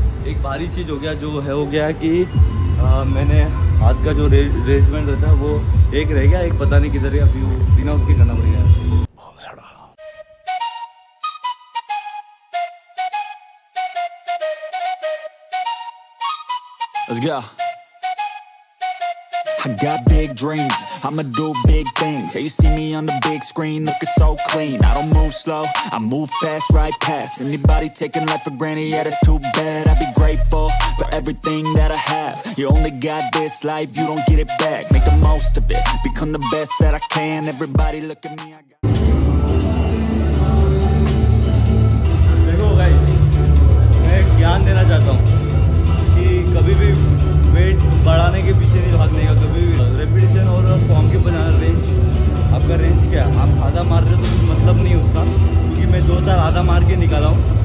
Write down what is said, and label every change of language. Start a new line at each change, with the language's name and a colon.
Hindi: एक भारी चीज़ हो गया जो है हो गया कि मैंने हाथ का जो रेजमेंट रहता है वो एक रह गया एक पता नहीं किधर है अभी वो बिना उसके करना पड़ गया
English: I got big dreams, I'ma do big things. Hey, you see me on the big screen, looking so clean. I don't move slow, I move fast, right past. Anybody taking life for granted, yeah, that's too bad. I'd be grateful for everything that I have. You only got this life, you don't get it back. Make the most of it, become the best that I can. Everybody look at me, I got...
Hindi: देखो guys, मैं ज्ञान देना चाहता हूँ कि कभी भी wait बढ़ाने के पीछे नहीं भागने का कभी भी रेपिटेशन और फॉर्म के बना रेंज आपका रेंज क्या है आप आधा मार रहे हो तो कुछ मतलब नहीं उसका क्योंकि मैं 2 साल आधा मार के निकाला हूँ